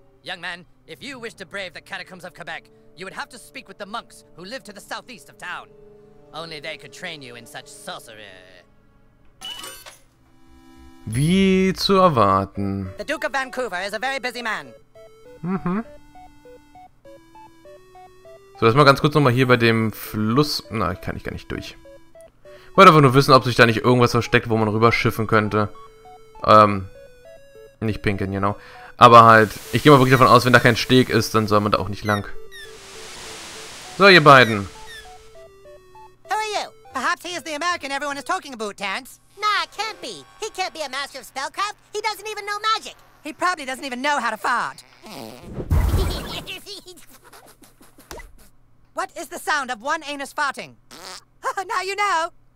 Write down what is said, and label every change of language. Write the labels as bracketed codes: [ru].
[en] Young man, if you wish to brave the catacombs of Quebec, you would have to speak with the monks who live to the southeast of town. Only they could train you in such sorcery. [de] Wie zu erwarten. [en] The Duke of Vancouver is a very busy man. Mhm. [de] So, lass mal ganz kurz nochmal hier bei dem Fluss. Na, kann ich gar nicht durch. Wollte einfach nur wissen, ob sich da nicht irgendwas versteckt, wo man rüberschiffen könnte. Nicht pinken, genau. Aber halt, ich gehe mal wirklich davon aus, wenn da kein Steg ist, dann soll man da auch nicht lang. So, ihr beiden. [en] Who are you? Perhaps he is the American everyone is talking about, Terence. Nah, can't be. He can't be a master of spellcraft. He doesn't even know magic. He probably doesn't even know how to fart. What is the sound of one anus farting? Now you know.